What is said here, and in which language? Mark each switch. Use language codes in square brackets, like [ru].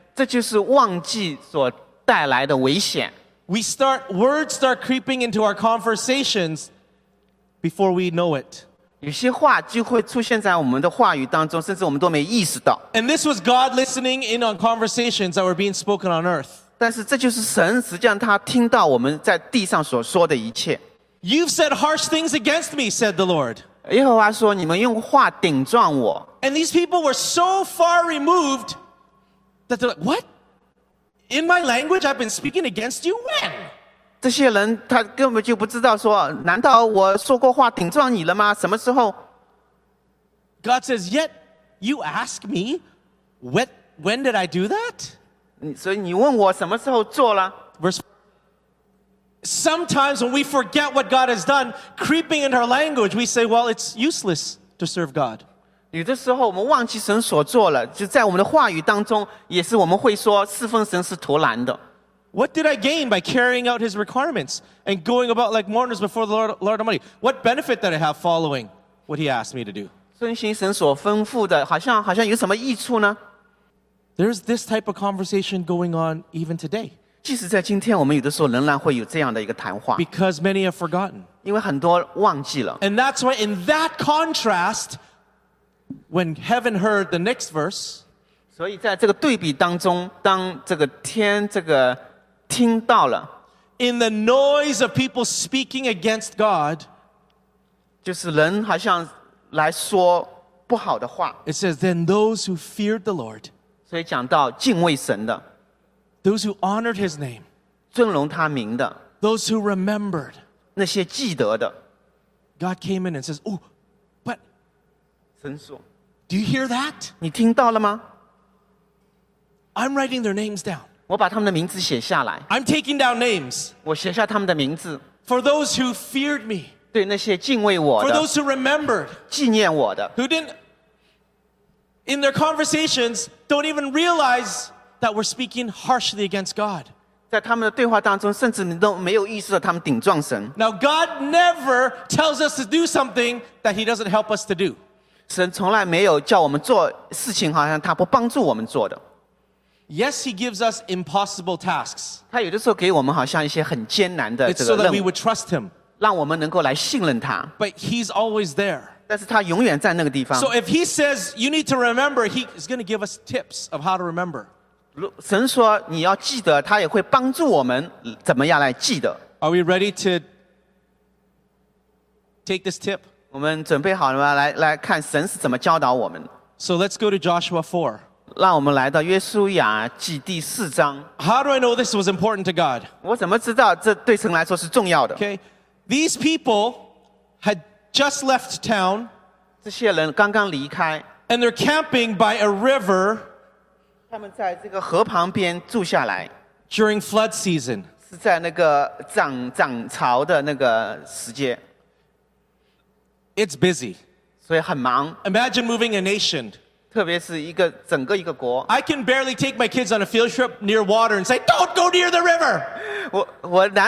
[zh] 这就是忘记所带来的危险。 [en] Words start creeping into our conversations before we know it. [zh] 有些话就会出现在我们的话语当中，甚至我们都没意识到。 [en] And this was God listening in on conversations that were being spoken on earth. [zh] 但是这就是神实际上他听到我们在地上所说的一切。 [en] You've said harsh things against me, said the Lord. [zh] 耶和华说：“你们用话顶撞我。” [en] And these people were so far removed that they're like, "What? In my language, I've been speaking against you when?" [zh] 这些人他根本就不知道说，难道我说过话顶撞你了吗？什么时候 [en] ？God says, "Yet you ask me, when did I do that?" [zh] 所以你问我什么时候做了 [en] ？Verse. Sometimes when we forget what God has done, creeping into our language, we say, "Well, it's useless to serve God." [zh] 有的时候我们忘记神所做了，就在我们的话语当中，也是我们会说侍奉神是徒然的。 [en] What did I gain by carrying out His requirements and going about like mourners before the Lord Almighty? What benefit did I have following? what he asked me to do. [zh] 遵循神所吩咐的, 好像有什么益处呢? [en] There's this type of conversation going on even today. [zh] 即使在今天我们有的时候仍然会有这样的一个谈话, [en] because many have forgotten. [zh] 因为很多忘记了。 [en] And that's why in that contrast, when heaven heard the next verse, [zh] 所以在这个对比当中, 当这个天这个听到了, [en] in the noise of people speaking against God, [zh] 就是人好像来说不好的话, [en] it says, then those who feared the Lord, [zh] 所以讲到敬畏神的, [en] those who honored his name, [zh] 尊荣他名的, [en] those who remembered, [zh] 那些记得的, [en] God came in and says, oh, but, [zh] 神说, [en] do you hear that? [zh] 你听到了吗? [en] I'm writing their names down. [zh] 我把他们的名字写下来, [en] I'm taking down names. [zh] 我写下他们的名字, [en] for those who feared me, [zh] 对那些敬畏我的, [en] for those who remembered, [zh] 纪念我的, [en] who didn't, in their conversations, don't even realize that we're speaking harshly against God. [zh] 在他们的对话当中, [en] now God never tells us to do something that he doesn't help us to do. [zh] 神从来没有叫我们做事情好像他不帮助我们做的。 [en] Yes, he gives us impossible tasks. [zh] 他有的时候给我们好像一些很艰难的这个任务。 [en] It's so that we would trust him. [zh] 让我们能够来信任他。 [en] But he's always there. [zh] 但是他永远在那个地方。 [en] So if he says you need to remember, he is going to give us tips of how to remember. [zh] 神说你要记得, 他也会帮助我们怎么样来记得。 [en] Are we ready to take this tip? [zh] 我们准备好了吗? 来看神是怎么教导我们。 [en] So let's go to Joshua 4. [zh] 让我们来到约书亚记第四章。 [en] How do I know this was important to God? [zh] 我怎么知道这对神来说是重要的? [en] Okay, these people had just left town. [zh] 这些人刚刚离开。 [en] And they're camping by a river. [zh] 他们在这个河旁边住下来。 [en] During flood season. [zh] 是在那个涨潮的那个时节。 [en] It's busy. [zh] 所以很忙。 [en] Imagine moving a nation. [zh] 特别是一个整个一个国。 [en] I can barely take my kids on a field trip near water and say, don't go near the river.